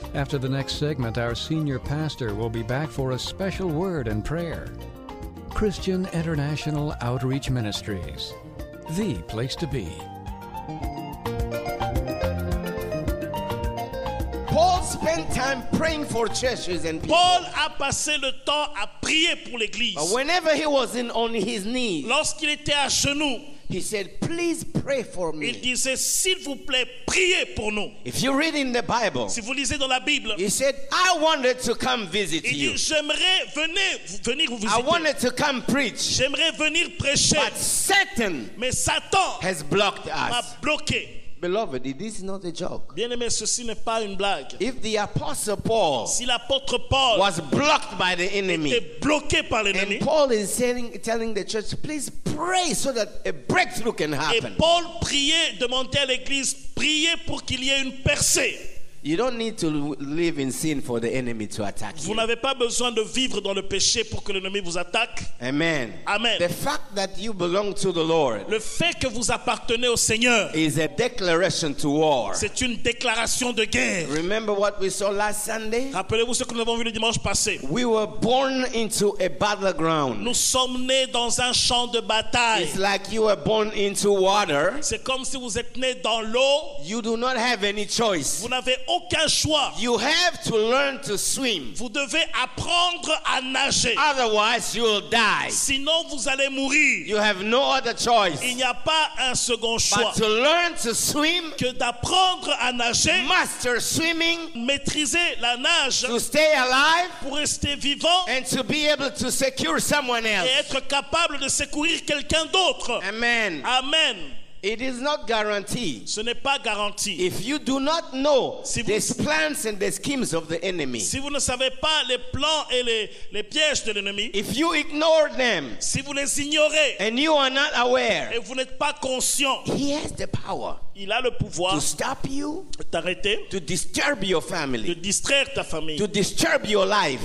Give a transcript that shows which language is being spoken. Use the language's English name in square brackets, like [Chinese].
[English] After the next segment, our senior pastor will be back for a special word and prayer. Christian International Outreach Ministries, the place to be. Paul spent time praying for churches and people. [French] Paul a passé le temps à prier pour l'église. [English] But whenever he was on his knees, [French] lorsqu'il était à genoux, [English] he said, "Please pray for me." [French] Il disait, s'il vous plaît, priez pour nous. [English] If you read in the Bible, [French] si vous lisez dans la Bible, [English] he said, "I wanted to come visit [French] il [English] you." [French] Il dit, j'aimerais venir vous visiter. [English] I wanted to come preach. [French] J'aimerais venir prêcher. [English] But Satan, [French] mais Satan [English] has blocked us. [French] M'a bloqué. [English] Beloved, this is not a joke. [French] Bien-aimé, ceci n'est pas une blague. [English] If the apostle Paul, [French] si l'apôtre Paul [English] was blocked by the enemy, [French] était bloqué par l'ennemi, [English] and Paul is telling the church, please pray so that a breakthrough can happen. [French] Et Paul priait, demandait à l'église, priez pour qu'il y ait une percée. [English] You don't need to live in sin for the enemy to attack you. [French] Vous n'avez pas besoin de vivre dans le péché pour que l'ennemi vous attaque. [English] Amen. [French] Amen. [English] The fact that you belong to the Lord. [French] Le fait que vous appartenez au Seigneur. [English] Is a declaration to war. [French] C'est une déclaration de guerre. [English] Remember what we saw last Sunday? [French] Rappelez-vous ce que nous avons vu le dimanche passé. [English] We were born into a battleground. [French] Nous sommes nés dans un champ de bataille. [English] It's like you were born into water. [French] C'est comme si vous êtes né dans l'eau. [English] You do not have any choice. [French] Vous n'avez aucun choix. [English] You have to learn to swim. [French] Vous devez apprendre à nager. [English] Otherwise, you will die. [French] Sinon, vous allez mourir. [English] You have no other choice. [French] Il n'y a pas un second choix. [English] But to learn to swim, [French] que d'apprendre à nager. [English] Master swimming, [French] maîtriser la nage. [English] To stay alive, [French] pour rester vivant. [English] And to be able to secure someone else. [French] Et être capable de secourir quelqu'un d'autre. [English] Amen. [French] Amen. [English] It is not guaranteed. [French] Ce n'est pas garanti. [English] If you do not know the plans and the schemes of the enemy. [French] Si vous ne savez pas les plans et les pièges de l'ennemi. [English] If you ignore them. [French] Si vous les ignorez. [English] And you are not aware. [French] Et vous n'êtes pas conscient. [English] He has the power. [French] Il a le pouvoir. [English] To stop you. [French] T'arrêter. [English] To disturb your family. [French] De distraire ta famille. [English] To disturb your life.